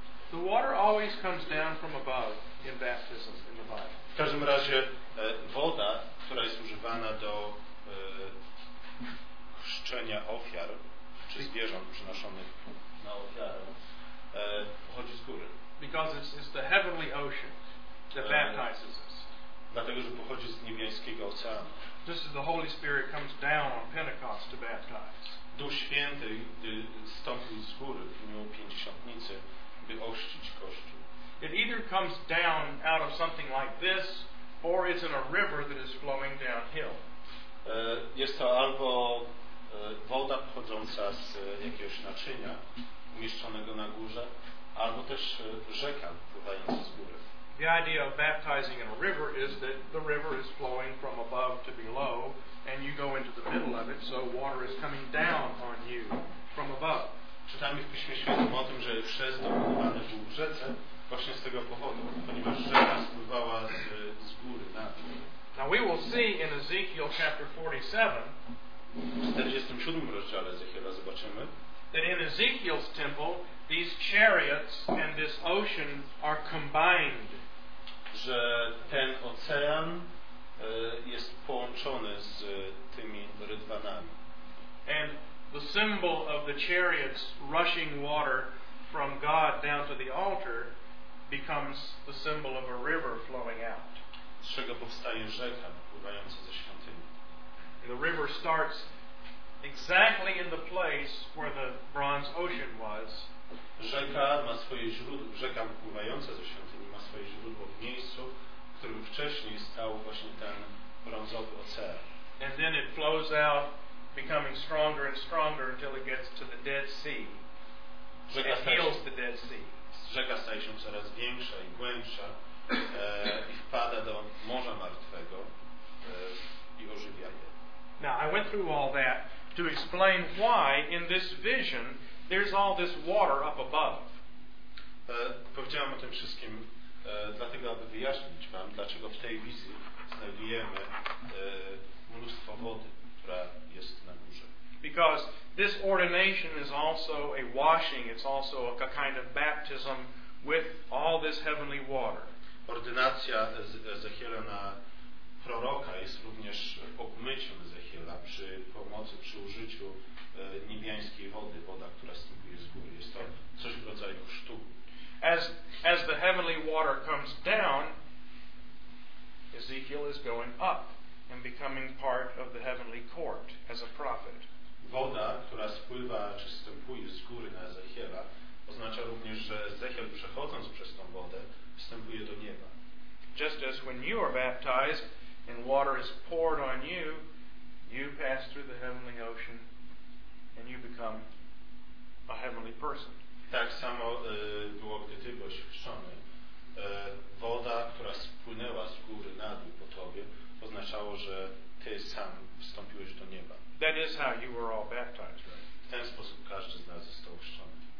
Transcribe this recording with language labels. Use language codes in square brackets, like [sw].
[en] The water always comes down from above in baptism in the Bible. [pl] W każdym razie woda, która jest używana do chrzczenia ofiar czy zwierząt przynoszonych na ofiarę, pochodzi z góry. [en] Because it's the heavenly ocean that baptizes us. [pl] Dlatego, że pochodzi z niebieskiego oceanu. [en] Just as the Holy Spirit comes down on Pentecost to baptize. [pl] Duch Święty stąpił z góry w dniu Pięćdziesiątnicy, by ochrzcić Kościół. [en] It either comes down out of something like this, or it's in a river that is flowing downhill. [pl] Jest to albo woda pochodząca z jakiegoś naczynia umieszczonego na górze, albo też rzeka pływająca z góry. [en] The idea of baptizing in a river is that the river is flowing from above to below and you go into the middle of it, so water is coming down on you from above. [pl] Czytamy w Piśmie Świętym o tym, że chrzest dokonywany był w rzece właśnie z tego powodu, ponieważ rzeka spływała z góry na dół. [en] Now we will see in Ezekiel chapter 47, [pl] w 47 rozdziale Ezechiela zobaczymy, [en] that in Ezekiel's temple these chariots and this ocean are combined. [pl] Że ten ocean jest połączony z tymi rydwanami. [en] And the symbol of the chariots rushing water from God down to the altar becomes the symbol of a river flowing out. [pl] Z czego powstaje rzeka pływająca ze świątyni. [en] And the river starts exactly in the place where the bronze ocean was. [pl] Rzeka ma swoje źródło, rzeka pływająca ze świątyni ma swoje źródło w miejscu, w którym wcześniej stał właśnie ten brązowy ocean. [en] And then it flows out, becoming stronger and stronger until it gets to the Dead Sea. [pl] Rzeka [en] and heals the Dead Sea. [pl] Rzeka staje się coraz większa i głębsza i wpada do Morza Martwego i ożywia je. [en] Now I went through all that to explain why in this vision there's all this water up above. [pl] Powiedziałem o tym wszystkim dlatego, aby wyjaśnić wam, dlaczego w tej wizji znajdujemy mnóstwo wody, która jest na górze. [en] Because this ordination is also a washing, it's also a kind of baptism with all this heavenly water. [pl] Ordynacja Ezechiela na proroka jest również obmyciem Ezechiela przy pomocy, przy użyciu niebiańskiej wody, woda, która stępuje z góry. Jest to coś w rodzaju chrztu. [en] As the heavenly water comes down, Ezekiel is going up and becoming part of the heavenly court as a prophet. [pl] Woda, która spływa czy stępuje z góry na Ezechiela, oznacza również, że Ezechiel przechodząc przez tą wodę wstępuje do nieba. [en] Just as when you are baptized and water is poured on you, you pass through the heavenly ocean and you become a heavenly person. [pl] Tak samo było, gdy ty byłeś chrzczony. Woda, która spłynęła z góry na dół po tobie, oznaczało, że ty sam wstąpiłeś do nieba. [en] That is how you were all baptized, right? [pl] W ten sposób każdy z nas został chrzczony.